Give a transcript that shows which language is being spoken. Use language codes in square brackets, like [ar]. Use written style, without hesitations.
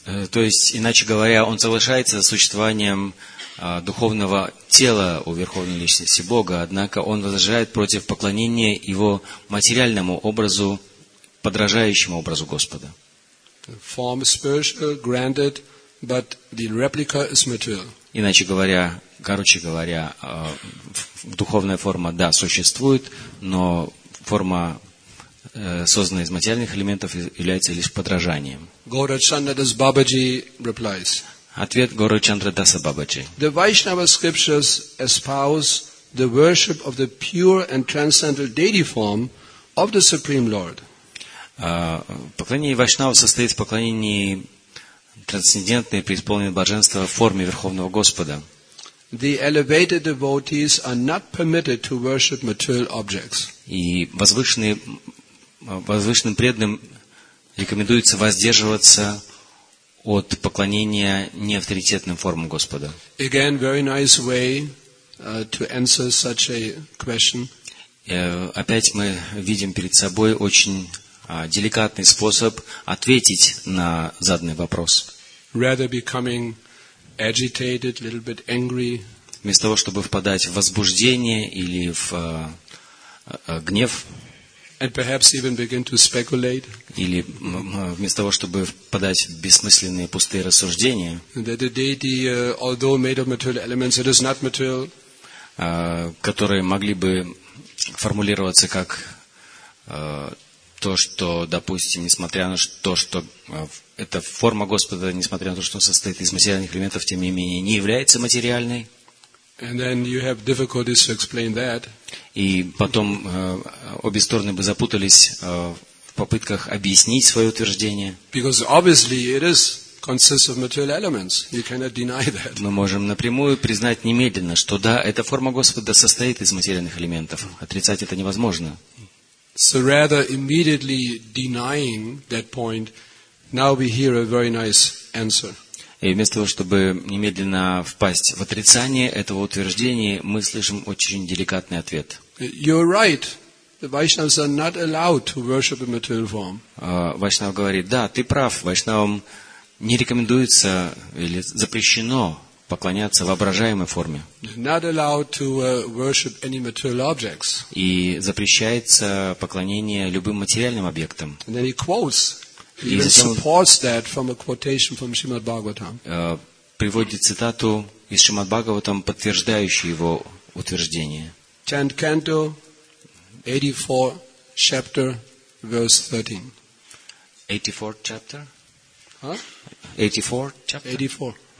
[ru] То есть, иначе говоря, он соглашается с существованием духовного тела у Верховной Личности Бога, однако он возражает против поклонения его материальному образу, подражающему образу Господа. [en] Form is spiritual, granted, but the replica is material. [ru] Иначе говоря, короче говоря, духовная форма, да, существует, но форма, созданная из материальных элементов, является лишь подражанием. [en] Gaurachandradas Babaji replies. [ru] Ответ Gaurachandradasa Babaji. [en] The Vaishnava scriptures espouse the worship of the pure and transcendental deity form of the Supreme Lord. [ru] Поклонение Вайшнава состоит в поклонении трансцендентной, преисполненной блаженства в форме Верховного Господа. [en] The elevated devotees are not permitted to worship material objects. [ru] И возвышенным преданным рекомендуется воздерживаться от поклонения неавторитетным формам Господа. [en] Again, very nice way to answer such a question. [ru] Опять мы видим перед собой очень деликатный способ ответить на заданный вопрос. [en] Rather becoming agitated, a little bit angry. [ru] Вместо того, чтобы впадать в возбуждение или в гнев. [en] And perhaps even begin to speculate. [ru] Или вместо того, чтобы впадать в бессмысленные пустые рассуждения. [en] That the deity, although made of material elements, it is not material. [ru] Которые могли бы формулироваться как то, что, допустим, несмотря на то, что эта форма Господа, несмотря на то, что состоит из материальных элементов, тем не менее, не является материальной. [en] And then you have difficulties to explain that. [ru] И потом обе стороны бы запутались в попытках объяснить свое утверждение. [en] Because obviously it is consists of material elements. You cannot deny that. [ru] Мы можем напрямую признать немедленно, что да, эта форма Господа состоит из материальных элементов. Отрицать это невозможно. [en] So rather immediately denying that point, now we hear a very nice answer. [ru] И вместо того, чтобы немедленно впасть в отрицание этого утверждения, мы слышим очень деликатный ответ. [en] You're right. The Vaishnavas are not allowed to worship a material form. [ru] Вайшнав говорит: да, ты прав. Вайшнавам не рекомендуется или запрещено поклоняться воображаемой форме. [en] Not allowed to worship any material objects. [ru] И запрещается поклонение любым материальным объектам. [en] And then he quotes. He even supports that from a quotation from Shrimad Bhagavatam. [ru] Приводит цитату из Шримад Бхагаватам, подтверждающую его утверждение. [en] 10th canto, 84 chapter, verse 13. 84 chapter? Huh? 84 chapter? 84.